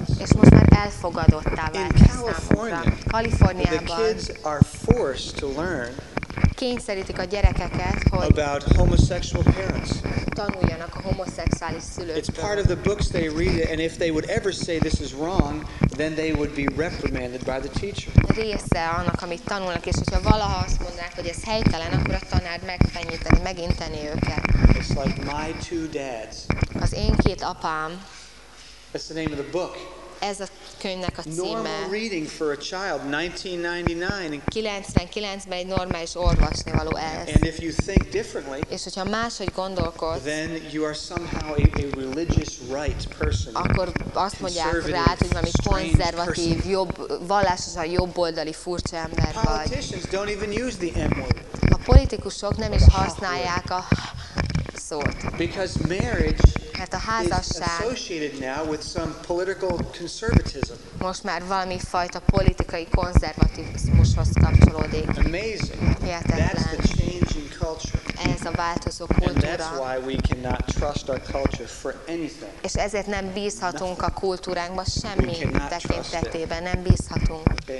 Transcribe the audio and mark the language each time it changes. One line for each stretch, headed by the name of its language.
Hungarian: És most már elfogadottá vált számunkra.
English: Kaliforniában. The kids are forced to learn.
Hungarian: Kényszerítik a gyerekeket, hogy
English: about homosexual parents.
Hungarian: Tanuljanak a homoszexuális szülőktől.
English: It's part of the books they read, and if they would ever say this is wrong, then they would be reprimanded by the teacher.
Hungarian: Része annak, amit tanulnak, és hogyha valaha azt mondanák, hogy ez helytelen, akkor a tanár megfenyíteni, meginteni őket.
English: It's like my two dads.
Hungarian: Az én két apám.
English: That's the name of the book.
Hungarian: Ez a könyvnek a címe.
English: Normal reading for a child, 1999.
Hungarian: 99-ben egy normális olvasnivaló ez.
English: And if you think differently,
Hungarian: és hogyha máshogy gondolkodsz,
English: then you are somehow a religious right person.
Hungarian: Akkor azt mondják rád, hogy valami konzervatív, jobb, vallásosan jobboldali furcsa ember vagy.
English: Politicians don't even use the M-word.
Hungarian: A politikusok nem is használják a szót.
English: Because marriage
Hungarian: mert a házasság
English: associated now with some political conservatism.
Hungarian: Most már valami fajta politikai konzervatizmushoz kapcsolódik.
English: Amazing.
Hungarian: Hihetetlen.
English: That's the changing culture.
Hungarian: Ez a változó kultúra.
English: And that's why we cannot trust our culture for anything.
Hungarian: És ezért nem bízhatunk a kultúránkba semmi tekintetében, nem bízhatunk.